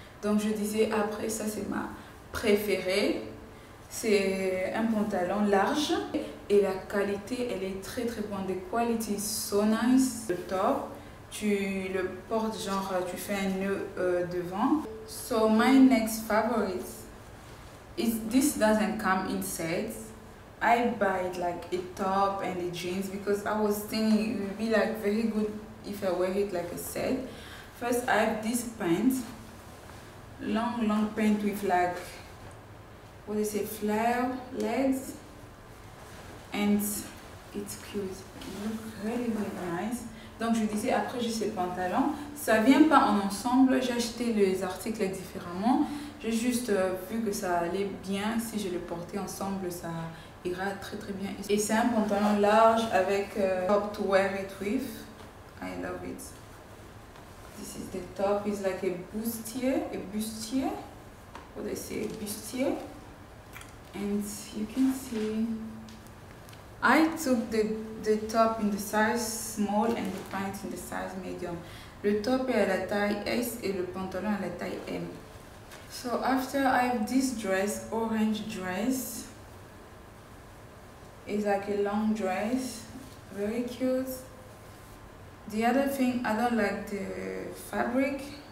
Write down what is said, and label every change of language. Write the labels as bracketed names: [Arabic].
[French] Donc je disais après ça c'est ma préférée. C'est un pantalon large et la qualité elle est très très bonne. [English] The quality is so nice. The top. [French] Tu le portes genre tu fais un nœud devant. [English] So my next favorite is this doesn't come in sets. I buy it like a top and a jeans because I was thinking it would be like very good if I wear it like a set. First I have this pant, long pant with like what is it, flare legs, and it's cute. It looks really really nice. [French] Donc je disais, après j'ai ces pantalons, ça vient pas en ensemble, j'ai acheté les articles différemment. J'ai juste vu que ça allait bien, si je le portais ensemble, ça ira très très bien. Et c'est un pantalon large avec [English] top to wear it with. I love it. This is the top, it's like a bustier. What do I say, bustier. And you can see... I took the top in the size small and the pants in the size medium. [French] Le top est à la taille S et le pantalon à la taille M. [English] So after I have this dress, orange dress. It's like a long dress, very cute. The other thing, I don't like the fabric.